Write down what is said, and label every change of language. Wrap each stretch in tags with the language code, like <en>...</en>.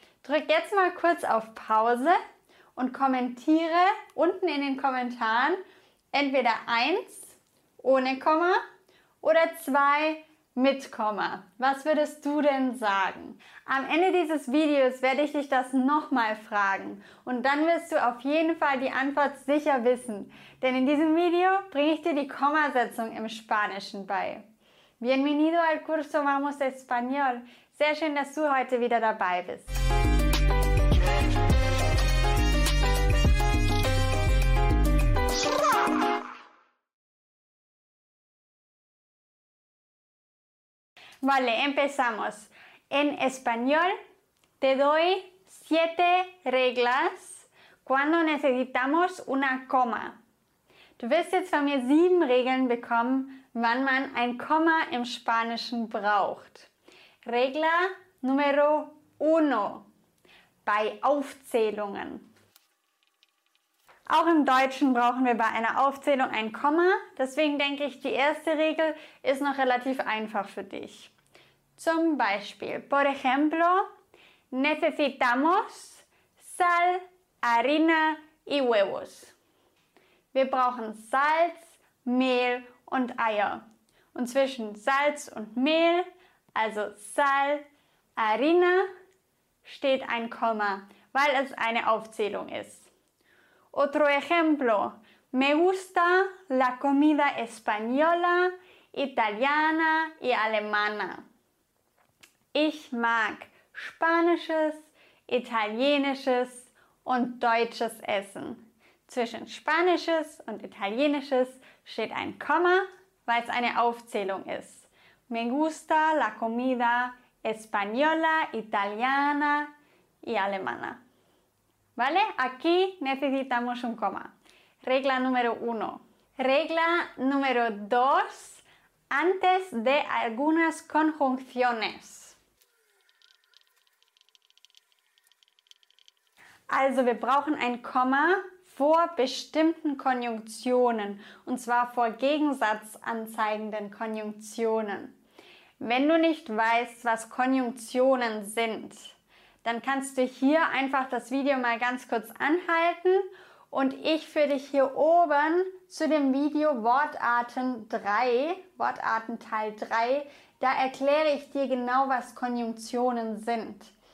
<de>Drück jetzt mal kurz auf Pause und kommentiere unten in den Kommentaren entweder 1 ohne Komma oder 2 mit Komma. Was würdest du denn sagen? Am Ende dieses Videos werde ich dich das nochmal fragen und dann wirst du auf jeden Fall die Antwort sicher wissen, denn in diesem Video bringe ich dir die Kommasetzung im Spanischen bei.</de> <es>Bienvenido al curso Vamos Español.</es> <de>Sehr schön, dass du heute wieder dabei bist.</de> <es>Vale, empezamos. En español te doy 7 reglas cuando necesitamos una coma.</es> <de>Du wirst jetzt von mir 7 Regeln bekommen, wann man ein Komma im Spanischen braucht.</de> <es>Regla número uno.</es> <de>Bei Aufzählungen. Auch im Deutschen brauchen wir bei einer Aufzählung ein Komma. Deswegen denke ich, die erste Regel ist noch relativ einfach für dich. Zum Beispiel,</de> <es>por ejemplo, necesitamos sal, harina y huevos.</es> <de>Wir brauchen Salz, Mehl und Eier. Und zwischen Salz und Mehl, also sal, harina, steht ein Komma, weil es eine Aufzählung ist.</de> <es>Otro ejemplo, me gusta la comida española, italiana y alemana.</es> <de>Ich mag spanisches, italienisches und deutsches Essen. Zwischen spanisches und italienisches steht ein Komma, weil es eine Aufzählung ist.</de> <es>Me gusta la comida española, italiana y alemana. ¿Vale? Aquí necesitamos un coma. Regla número uno. Regla número dos. Antes de algunas conjunciones.</es> <de>Also, wir brauchen ein Komma vor bestimmten Konjunktionen, und zwar vor gegensatzanzeigenden Konjunktionen. Wenn du nicht weißt, was Konjunktionen sind, dann kannst du hier einfach das Video mal ganz kurz anhalten und ich führe dich hier oben zu dem Video Wortarten Teil 3, da erkläre ich dir genau, was Konjunktionen sind.</de>